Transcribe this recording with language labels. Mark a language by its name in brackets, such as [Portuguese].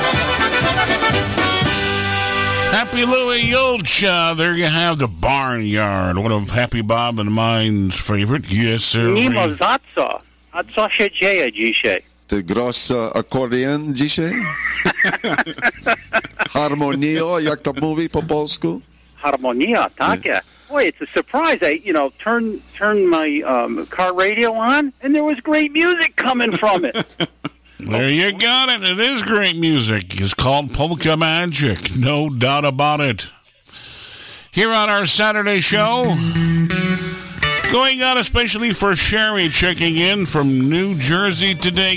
[English] Happy Louie Yulcha, there you have the Barnyard, one of Happy Bob and mine's favorite. Yes, sir. [Polish] Mimo, za co? A co się dzieje dzisiaj? Ty grasz akordeon dzisiaj? Harmonia, jak to mówi po polsku? Harmonia, tak, [English] yeah. Boy, it's a surprise. I, you know, turned my car radio on, and there was great music coming from it. There you got it. It is great music. It's called Polka Magic. No doubt about it. Here on our Saturday show, going out especially for Sherry, checking in from New Jersey today.